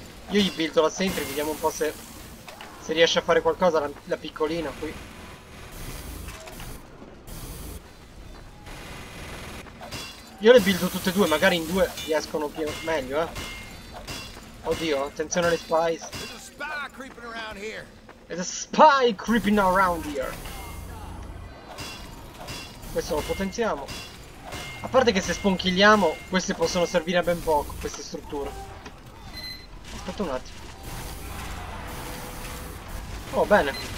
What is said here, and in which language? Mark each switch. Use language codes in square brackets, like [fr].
[it] Io gli buildo la sentry, vediamo un po' se riesce a fare qualcosa la piccolina qui. Io le buildo tutte e due, magari in due riescono più meglio, eh. Oddio, attenzione alle spies. [en] There's a spy creeping around here. [it] Questo lo potenziamo. A parte che se sponchigliamo, queste possono servire a ben poco, queste strutture. Aspetta un attimo. Oh, bene.